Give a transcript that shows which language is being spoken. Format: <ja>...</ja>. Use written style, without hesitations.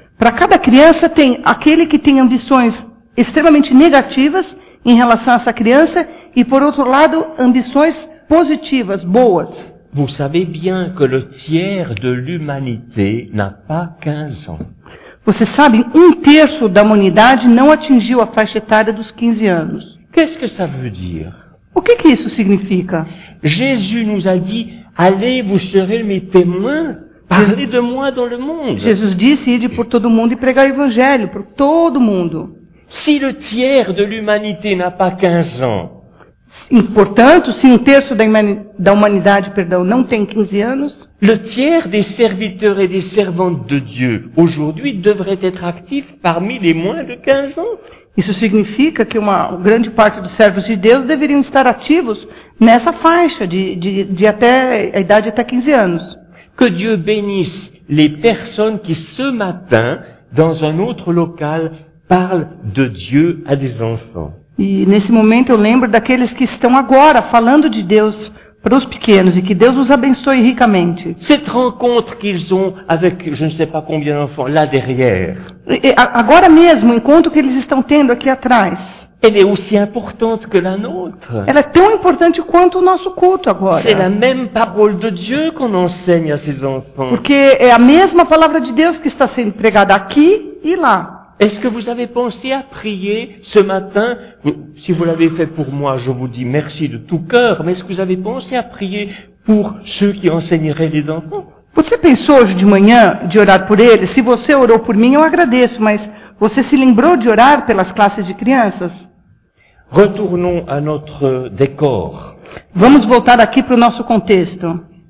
<pt>Para cada criança tem aquele que tem ambições extremamente negativas em relação a essa criança e, por outro lado, ambições positivas, boas.</pt> <fr>Vous savez bien que le tiers de l'humanité n'a pas 15 ans.</fr> <pt>Você sabe, um terço da humanidade não atingiu a faixa etária dos 15 anos.</pt> <fr>Qu'est-ce que ça veut dire?</fr> <pt>O que que isso significa?</pt> <fr>Jésus nous a dit: allez, vous serez mes témoins, parlez de moi dans le monde.</fr> <pt>Jesus disse: ide por todo mundo e pregai o evangelho por todo mundo.</pt> <fr>Si le tiers de l'humanité n'a pas 15 ans.</fr> <pt>Portanto, se um terço da humanidade, perdão, não tem 15 anos,</pt> <fr>le tiers des serviteurs et des servantes de Dieu aujourd'hui devrait être actif parmi les moins de 15 ans.</fr> <pt>Isso significa que uma grande parte dos servos de Deus deveriam estar ativos nessa faixa de até a idade até 15 anos.</pt> <fr>Que Dieu bénisse les personnes qui ce matin dans un autre local parlent de Dieu à des enfants.</fr> <pt>E nesse momento eu lembro daqueles que estão agora falando de Deus para os pequenos e que Deus os abençoe ricamente.</pt> <fr>Cette rencontre qu'ils ont avec je ne sais pas combien d'enfants là derrière.</fr> <pt>Agora mesmo o encontro que eles estão tendo aqui atrás.</pt> <fr>Elle est aussi importante que la nôtre.</fr> <pt>Ela é tão importante quanto o nosso culto agora.</pt> <fr>C'est la même parole de Dieu qu'on enseigne à ces enfants.</fr> <pt>Porque é a mesma palavra de Deus que está sendo pregada aqui e lá.</pt> <fr>Est-ce que vous avez pensé à prier ce matin? Si vous l'avez fait pour moi, je vous dis merci de tout cœur. Mais est-ce que vous avez pensé à prier pour ceux qui enseigneraient les enfants?</fr> <pt>Você pensou hoje de manhã de orar por eles? Se você orou por mim, eu agradeço. Mas você se lembrou de orar pelas classes de crianças?</pt> <fr>Retournons à notre décor.</fr> <pt>Vamos voltar aqui para o nosso contexto.</pt>